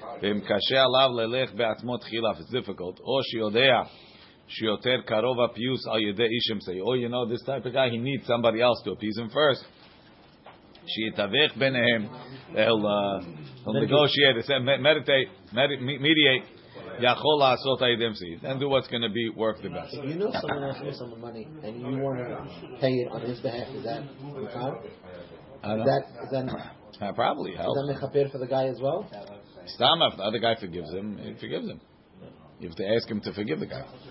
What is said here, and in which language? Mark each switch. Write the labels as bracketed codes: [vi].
[he] ואם קשה עליו ללך בעצמו תחילה, [en] it's difficult, [he] או שיודע שיותר קרוב הפיוס על ידי איש אמצעי. [en] Oh, you know, this type of guy, he needs somebody else to appease him first. [he] שיתווך ביניהם אל [en] negotiate, mediate, [he] יכול לעשות על ידי אמצעי. [en] And do what's going to be worth the best. If you know someone asking you some money and you want to pay it on his behalf, is that the time? Is that Probably helps. Is that mechaper for the guy as well? Stam, if the other guy forgives him, he forgives him. You have to ask him to forgive the guy.